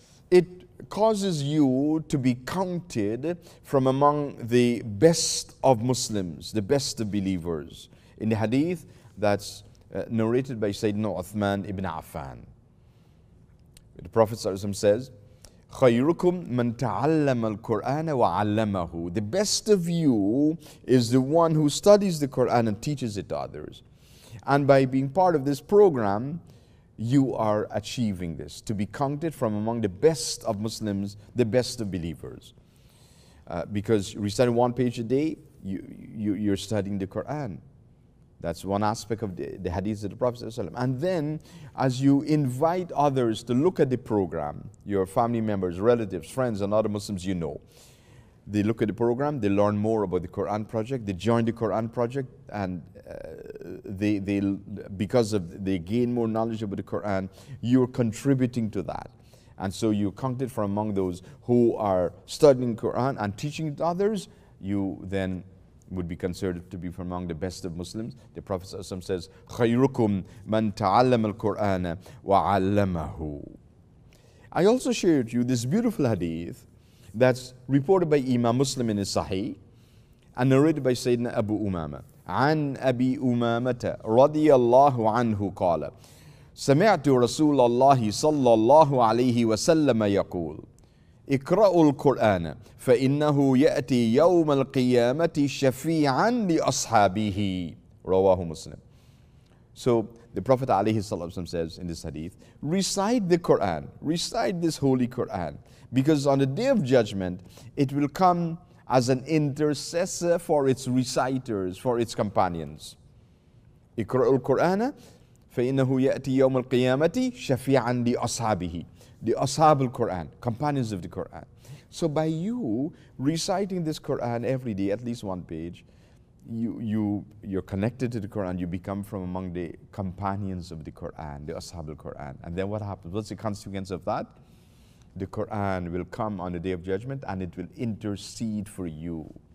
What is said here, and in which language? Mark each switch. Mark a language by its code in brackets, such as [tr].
[en] It causes you to be counted from among the best of Muslims, the best of believers. In the hadith, that's narrated by Sayyidina Uthman ibn Affan. The Prophet says, [ar] خَيْرُكُمْ مَنْ تَعَلَّمَ الْقُرْآنَ وَعَلَّمَهُ. [en] The best of you is the one who studies the Quran and teaches it to others. And by being part of this program, you are achieving this, to be counted from among the best of Muslims, the best of believers. Because reciting one page a day, you're studying the Quran. That's one aspect of the hadith of the Prophet ﷺ. And then, as you invite others to look at the program, your family members, relatives, friends, and other Muslims you know, they look at the program, they learn more about the Quran project, they join the Quran project, and they because of they gain more knowledge about the Quran, you're contributing to that. And so you're counted from among those who are studying Quran and teaching it to others. You then would be considered to be from among the best of Muslims. The Prophet ﷺ says, [ar] خَيْرُكُمْ مَنْ تَعَلَّمَ الْقُرْآنَ وَعَلَّمَهُ. [en] I also shared you this beautiful hadith that's reported by Imam Muslim in his Sahih and narrated by Sayyidina Abu Umama. [ar] عَنْ أَبِي أُمَامَةَ رَضِيَ اللَّهُ عَنْهُ قَالَ سَمِعْتُ رَسُولَ اللَّهِ صَلَّى اللَّهُ عَلَيْهِ وَسَلَّمَ يَقُولُ اقرأوا القرآن فإنه يأتي يوم القيامة شفيعا لأصحابه رواه مسلم. [en] So the Prophet ﷺ says in this hadith, recite the Quran, recite this holy Quran, because on the day of judgment it will come as an intercessor for its reciters, for its companions. [ar] اقرأوا القرآن فإنه يأتي يوم القيامة شفيعا لأصحابه. [en] The Ashab al-Quran, companions of the Quran. So by you reciting this Quran every day, at least one page, you're connected to the Quran, you become from among the companions of the Quran, the Ashab al-Quran. And then what happens? What's the consequence of that? The Quran will come on the Day of Judgment and it will intercede for you.